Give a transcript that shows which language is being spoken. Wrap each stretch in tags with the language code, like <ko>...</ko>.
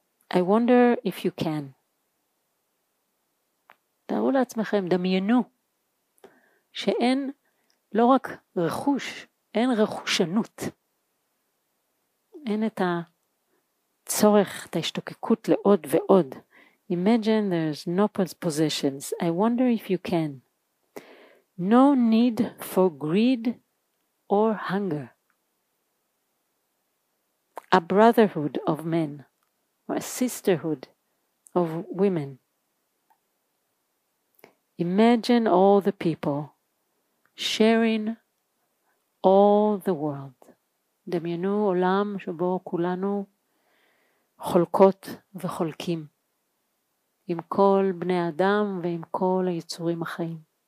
<en>I wonder if you can.</en> <he>תארו לעצמכם, דמיינו, שאין לא רק רכוש, אין רכושנות. אין את הצורך, את ההשתוקקות לעוד ועוד.</he> <en>Imagine there's no possessions. I wonder if you can. No need for greed or hunger. A brotherhood of men or a sisterhood of women. Imagine all the people sharing all the world.</en> <he>דמיינו עולם שבו כולנו חולקות וחולקים. עם כל בני אדם ועם כל היצורים החיים.</he>